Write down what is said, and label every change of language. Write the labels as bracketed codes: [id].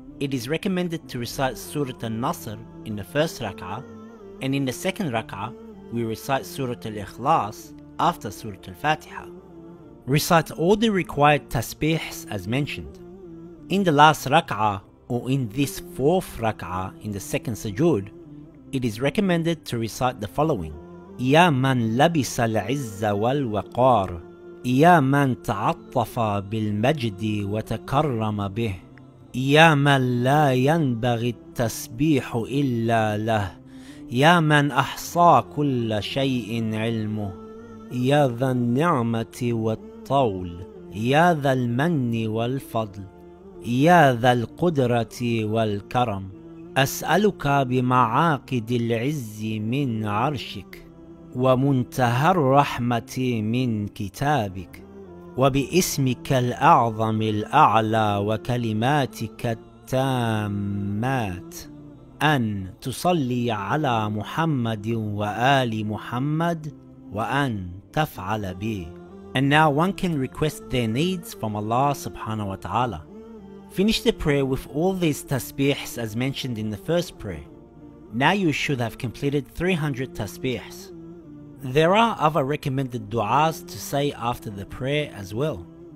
[en] It is recommended to recite Surat al-Nasr in the first rak'ah, and in the second rak'ah, we recite Surat al-Ikhlas after Surat al-Fatiha. Recite all the required tasbihs as mentioned. In the last rak'ah, or in this fourth rak'ah in the second sujood, it is recommended to recite the following. [ar] Ya man labisa al-izza wal-waqar. يا من تعطف بالمجد وتكرم به يا من لا ينبغي التسبيح إلا له يا من أحصى كل شيء علمه يا ذا النعمة والطول يا ذا المن والفضل يا ذا القدرة والكرم أسألك بمعاقد العز من عرشك ومنتهى الرحمة من كتابك وباسمك الأعظم الأعلى وكلماتك التامات أن تصلي على محمد وآل محمد وأن تفعل به. [en] And now one can request their needs from Allah subhanahu wa ta'ala. Finish the prayer with all these tasbihs as mentioned in the first prayer. Now you should have completed 300 tasbihs. There are other recommended du'as to say after the prayer as well.